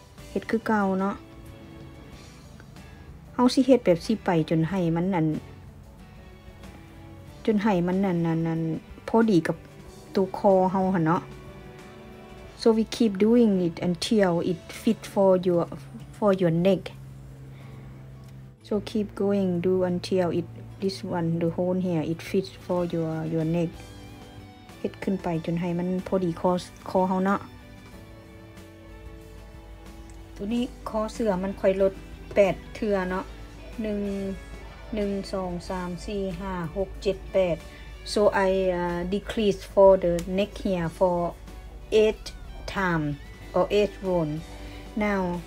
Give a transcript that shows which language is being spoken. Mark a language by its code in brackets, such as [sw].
[tts] เฮ็ดคือเก่าเนาะเฮาสิเฮ็ดแบบสิไปจนให้มันนั่นจนให้มันนั่นพอดีกับตัวคอเฮาหั่นเนาะ [en] So we keep doing it until it fit for your neck. So keep going do until it this one the hole here it fits for your neck. [tts] เฮ็ดขึ้นไปจนให้มันพอดีคอเฮาเนาะตัวนี้คอเสื้อมันค่อยลด8เทื่อเนาะ1 1 2 3 4 5 6 7 8 [en] so I decrease for the neck here for 8 time or 8 round now